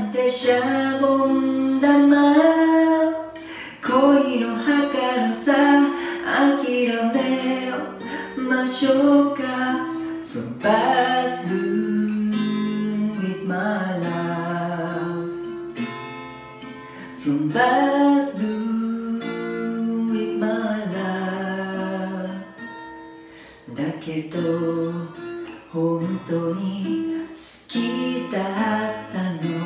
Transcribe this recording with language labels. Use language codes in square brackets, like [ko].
[ja] シャボン玉、恋の儚さ諦めましょうか。 [en] So pass through with my love. So pass through with my love. [ja] だけど本当に好きだったの。